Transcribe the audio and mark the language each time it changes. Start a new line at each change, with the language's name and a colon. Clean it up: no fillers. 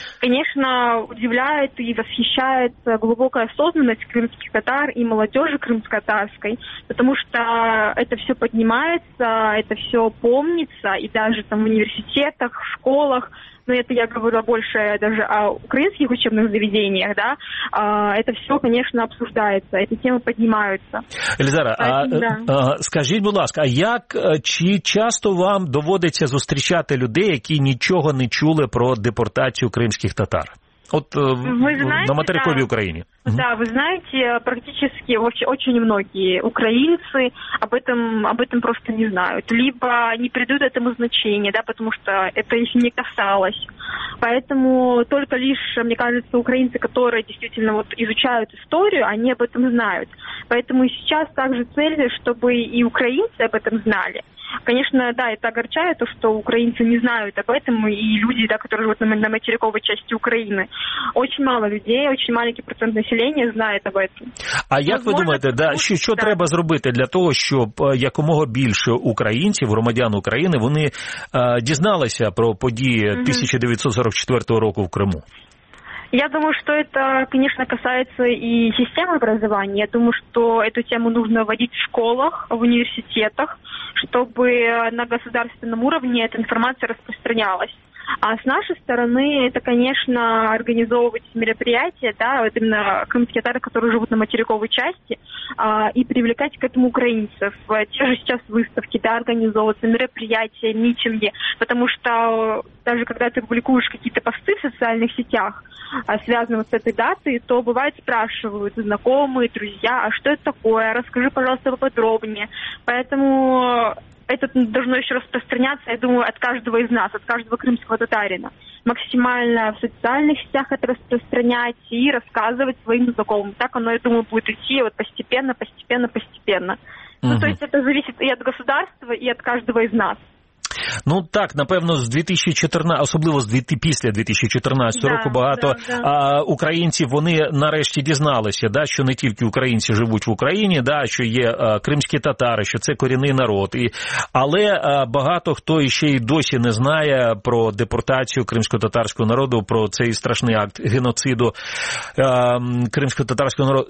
Russian: Конечно, удивляет и восхищает глубокая осознанность крымских татар и молодежи крымско-татарской, потому что это все поднимается, это все помнится, и даже там в университетах, в школах, ну, это я говорю больше даже о украинских учебных заведениях, да, это все, конечно, обсуждается, эти темы поднимаются. Елизара, да.
Ukrainian: Скажіть, будь ласка, а як, чи часто вам доводиться зустрічати людей, які нічого не чули про депортацію кримських татар? От ви знаєте, на материковій, да, Україні. Да, ви знаєте, практично дуже багато українці
Russian: об этом
Ukrainian: просто не знають.
Russian: Либо не придають этому значення, да,
Ukrainian: тому що це їх не касалось. Тому тільки лише, мені кажется, українці, які дійсно
Russian: вот, изучают
Ukrainian: історію, вони
Russian: об этом
Ukrainian: знають. Тому зараз також цель, щоб і українці
Russian: об этом
Ukrainian: знали.
Russian: Конечно, да, это огорчает то, что украинцы не знают об этом, и люди, да, которые живут на материковой части Украины. Очень мало людей, очень маленький процент населения знает об этом. А как вы думаете,
Ukrainian: да, что треба зробити для того, щоб якомога більше українців, громадян України, вони дізналися про події 1944 року в Криму?
Russian: Я думаю, что это, конечно, касается и системы образования. Я думаю, что эту тему нужно вводить в школах, в университетах, чтобы на государственном уровне эта информация распространялась. А с нашей стороны это, конечно, организовывать мероприятия, да, вот именно крымские татары, которые живут на материковой части, и привлекать к этому украинцев. Те же сейчас выставки, да, организовываются, мероприятия, митинги, потому что даже когда ты публикуешь какие-то посты в социальных сетях, связанные с этой датой, то бывает спрашивают знакомые, друзья, а что это такое, расскажи, пожалуйста, поподробнее. Поэтому это должно еще распространяться, я думаю, от каждого из нас, от каждого крымского татарина. Максимально в социальных сетях это распространять и рассказывать своим знакомым. Так оно, я думаю, будет идти вот постепенно, постепенно, постепенно. Угу. Ну, то есть это зависит и от государства, и от каждого из нас.
Ukrainian: Ну так, напевно, з 2014, особливо з після 2014 року, багато українців, вони нарешті дізналися, да, що не тільки українці живуть в Україні, да, що є кримські татари, що це корінний народ. Але багато хто ще й досі не знає про депортацію кримсько-татарського народу, про цей страшний акт геноциду кримсько-татарського народу.